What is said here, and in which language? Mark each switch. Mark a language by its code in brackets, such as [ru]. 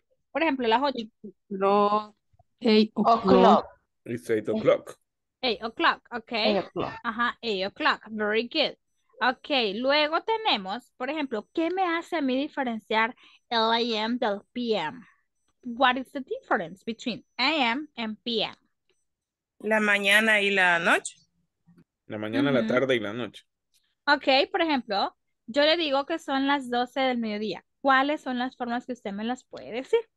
[es] Por ejemplo, las 8. [en] It's 8 o'clock. Very good. [es] Ok, luego tenemos, por ejemplo, ¿qué me hace a mí diferenciar el AM del PM? [en] What is the difference between AM and PM? [es] La mañana y la noche. La mañana, la tarde y la noche. Ok, por ejemplo, yo le digo que son las 12 del mediodía. ¿Cuáles son las formas que usted me las puede decir?